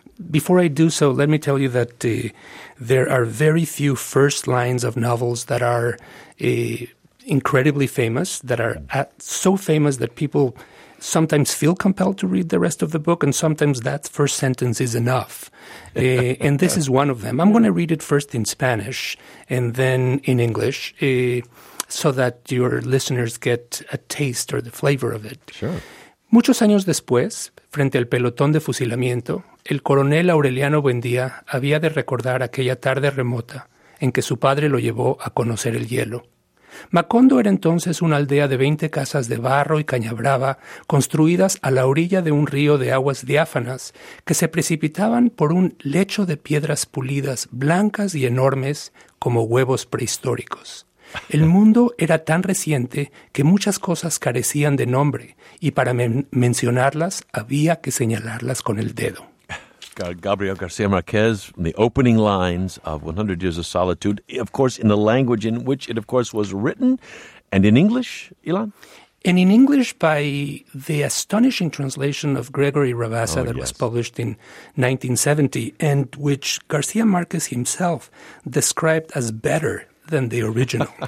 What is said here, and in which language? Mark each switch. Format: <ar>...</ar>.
<en>Before I do so, let me tell you that there are very few first lines of novels that are incredibly famous, that are so famous that people sometimes feel compelled to read the rest of the book, and sometimes that first sentence is enough. And this is one of them. I'm going to read it first in Spanish and then in English so that your listeners get a taste or the flavor of it. Sure.</en> <es>Muchos años después, frente al pelotón de fusilamiento, el coronel Aureliano Buendía había de recordar aquella tarde remota en que su padre lo llevó a conocer el hielo. Macondo era entonces una aldea de 20 casas de barro y caña brava construidas a la orilla de un río de aguas diáfanas que se precipitaban por un lecho de piedras pulidas, blancas y enormes como huevos prehistóricos. El mundo era tan reciente que muchas cosas carecían de nombre y para mencionarlas había que señalarlas con el dedo.</es> <en>Gabriel García Márquez, the opening lines of 100 Years of Solitude, of course, in the language in which it, of course, was written, and in English, Ilan? And in English by the astonishing translation of Gregory Rabassa was published in 1970, and which García Márquez himself described as better than the original.</en>